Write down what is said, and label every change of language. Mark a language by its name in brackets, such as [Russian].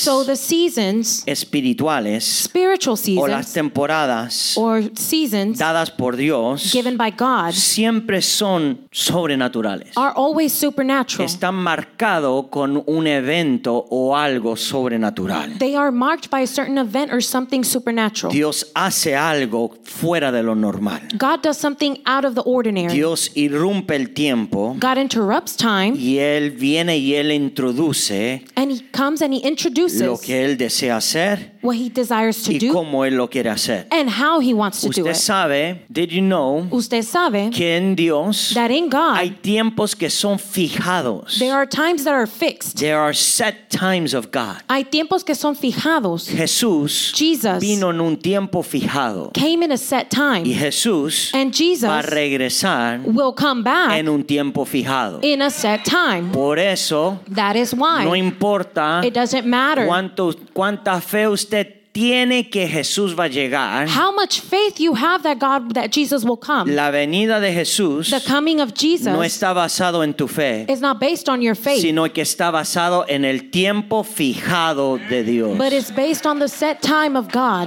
[English] so the seasons [Spanish] espirituales [English] spiritual seasons [Spanish] o las temporadas [English] or seasons [Spanish] dadas por Dios [English] given by God [Spanish] siempre son sobrenaturales. [English] Are always supernatural. [Spanish] Están marcado con un evento o algo sobrenatural. [English] They are marked by a certain event or something supernatural. [Spanish] Dios hace algo fuera de lo normal. [English] God does something out of the ordinary. [Spanish] Dios irrumpe el tiempo. [English] God interrupts time. [Spanish] Y él viene y él introduce. [English] And he comes and he introduces. [Spanish] Lo que él desea hacer. [English] What he desires to [Spanish] y [English] do. [Spanish] Y cómo él lo quiere hacer. [English] And how he wants to [Spanish] usted [English] do [Spanish] sabe, [English] it. [Spanish] Usted sabe. [English] Did you know? [Spanish] Usted sabe. Que en Dios. [English] That in God. [Spanish] Hay tiempos que son fijados. [English] There are times that are fixed. There are set times of God. [Spanish] Hay tiempos que son fijados. Jesús. [English] Jesus. [Spanish] Vino en un tiempo fijado. [English] Came in a set time. [Spanish] Y Jesús. [English] And Jesus [Spanish] va a regresar [English] will come back [Spanish] en un tiempo fijado. [English] In a set time. [Spanish] Por eso, [English] that is why [Spanish] no importa [English] it doesn't matter [Spanish] cuánta fe usted tiene que Jesús va a llegar. [English] How much faith you have that God, that Jesus will come. [Spanish] La venida de Jesús. [English] The coming of Jesus. [Spanish] No está basado en tu fe. [English] It's not based on your faith. [Spanish] Sino que está basado en el tiempo fijado de Dios. [English] But it's based on the set time of God.